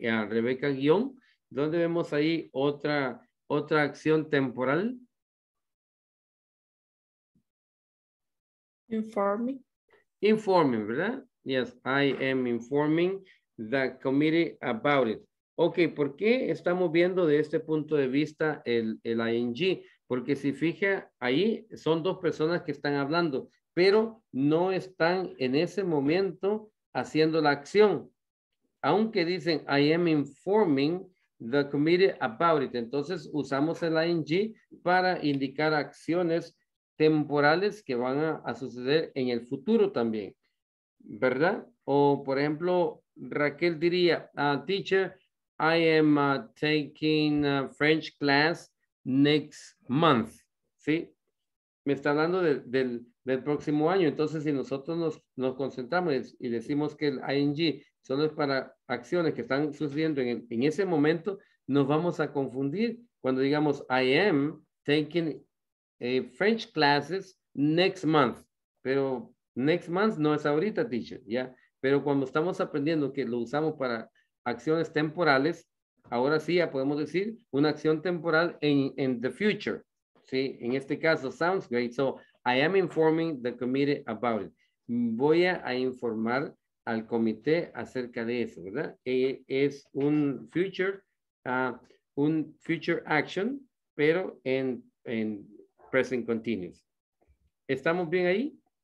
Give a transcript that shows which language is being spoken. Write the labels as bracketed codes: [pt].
[es] Y a Rebeca guión. ¿Dónde vemos ahí otra acción temporal? [en] Informing. [es] Informing, ¿verdad? [en] Yes, I am informing the committee about it. [es] Ok, ¿por qué estamos viendo de este punto de vista el ING? Porque si fija ahí, son dos personas que están hablando, pero no están en ese momento haciendo la acción. Aunque dicen, [en] I am informing the committee about it. [es] Entonces usamos el ING para indicar acciones temporales que van a suceder en el futuro también. ¿Verdad? O por ejemplo, Raquel diría, [en] teacher, I am taking a French class next month. [es] ¿Sí? Me está hablando del próximo año. Entonces, si nosotros nos concentramos y decimos que el ING solo es para acciones que están sucediendo en ese momento, nos vamos a confundir cuando digamos, [en] I am taking French classes next month. [es] Pero [en] next month [es] no es ahorita, teacher, ¿ya? Pero cuando estamos aprendiendo que lo usamos para acciones temporales, ahora sí ya podemos decir una acción temporal en [en] the future. [es] ¿Sí? En este caso, [en] sounds great. So, I am informing the committee about it. [es] Voy a informar al comité acerca de eso, ¿verdad? Es un [en] future action, [es] pero en present continuous. ¿Estamos bien ahí?